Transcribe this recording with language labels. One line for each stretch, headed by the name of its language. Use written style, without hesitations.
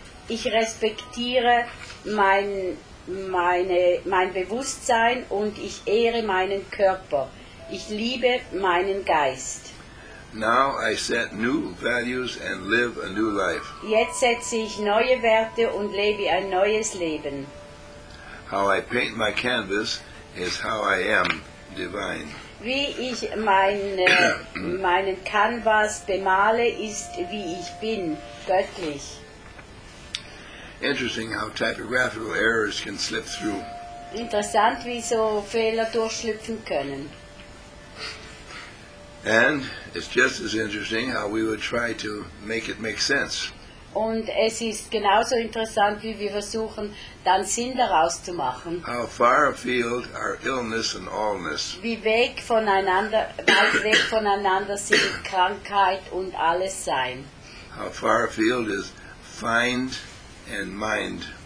German: Ich respektiere mein Bewusstsein und ich ehre meinen Körper. Ich liebe meinen Geist.
English: Now I set new values and live a new life.
German: Jetzt setze ich neue Werte und lebe ein neues Leben.
English: How I paint my canvas is how I am divine.
German: Wie ich meinen Canvas bemale, ist wie ich bin, göttlich.
English: Interesting how typographical errors can slip through.
German: Interessant, wie so Fehler durchschlüpfen können.
English: And it's just as interesting how we would try to make it make sense.
German: Und es ist genauso interessant, wie wir versuchen, dann Sinn daraus zu machen.
English: How far afield are illness and allness?
German: Wie weit voneinander, weit weg voneinander sind Krankheit und alles sein.
English: How far afield is find and mind?